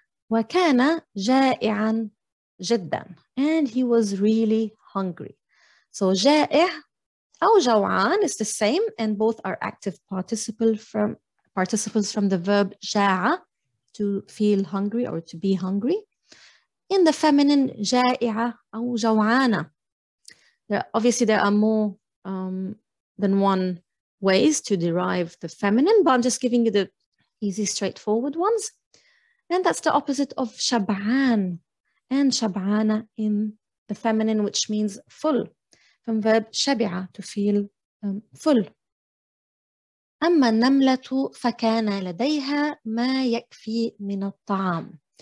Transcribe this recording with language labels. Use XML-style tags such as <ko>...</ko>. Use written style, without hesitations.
<ar>وكان جائعا جدا.</ar> <en>And he was really hungry. So</en> <ar>جائع أو جوعان</ar> <en>is the same, and both are active participles from the verb جاع, to feel hungry or to be hungry. In the feminine,</en> <ar>جائعة أو جوعانة.</ar> <en>There are more than one ways to derive the feminine, but I'm just giving you the easy, straightforward ones. And that's the opposite of شبعان and شبعانة in the feminine, which means full, from verb شبعة, to feel full.</en> <ar>أما النملة فكان لديها ما يكفي من الطعام.</ar>